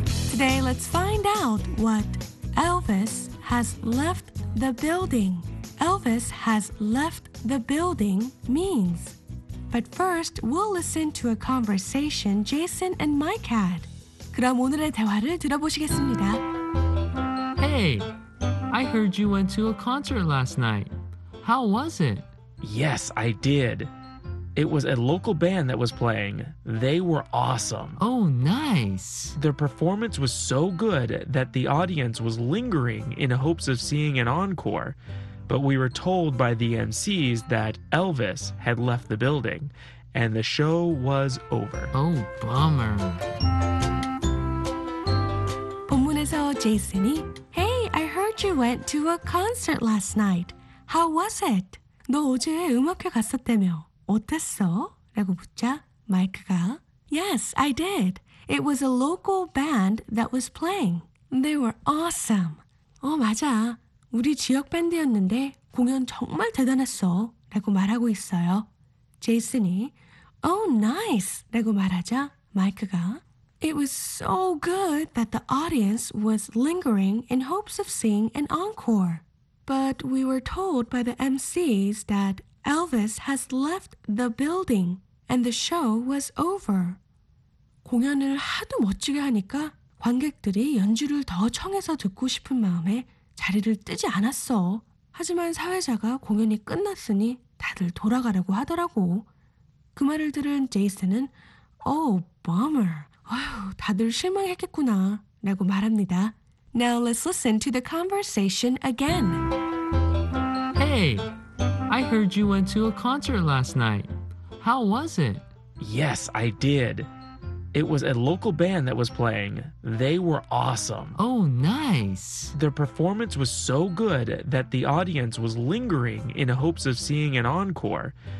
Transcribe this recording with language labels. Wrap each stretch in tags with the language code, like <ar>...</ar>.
<en>Today, let's find out what Elvis has left the building. Elvis has left the building means. But first, we'll listen to a conversation Jason and Mike had.</en> <ko>그럼 오늘의 대화를 들어보시겠습니다.</ko> <en>Hey, I heard you went to a concert last night. How was it? Yes, I did. It was a local band that was playing. They were awesome. Oh, nice. Their performance was so good that the audience was lingering in hopes of seeing an encore. But we were told by the MCs that Elvis had left the building and the show was over. Oh, bummer.</en> <ko>본문에서 제이슨이</ko> <en>Hey, I heard you went to a concert last night. How was it?</en> <ko>너 어제 음악회 갔었다며 어땠어? 라고 묻자 마이크가</ko> <en>Yes, I did. It was a local band that was playing. They were awesome.</en> <ko>어, 맞아. 우리 지역 밴드였는데 공연 정말 대단했어. 라고 말하고 있어요. 제이슨이</ko> <en>Oh, nice.</en> <ko>라고 말하자 마이크가</ko> <en>It was so good that the audience was lingering in hopes of seeing an encore. But we were told by the MCs that Elvis has left the building and the show was over.</en> <ko>공연을 하도 멋지게 하니까 관객들이 연주를 더 청해서 듣고 싶은 마음에 자리를 뜨지 않았어. 하지만 사회자가 공연이 끝났으니 다들 돌아가려고 하더라고. 그 말을 들은 제이슨은</ko> <en>Oh, bummer.</en> <ko>아휴, 다들 실망했겠구나 라고 말합니다.</ko> <en>Now let's listen to the conversation again. Hey, I heard you went to a concert last night. How was it? Yes, I did. It was a local band that was playing. They were awesome. Oh, nice. Their performance was so good that the audience was lingering in hopes of seeing an encore.</en>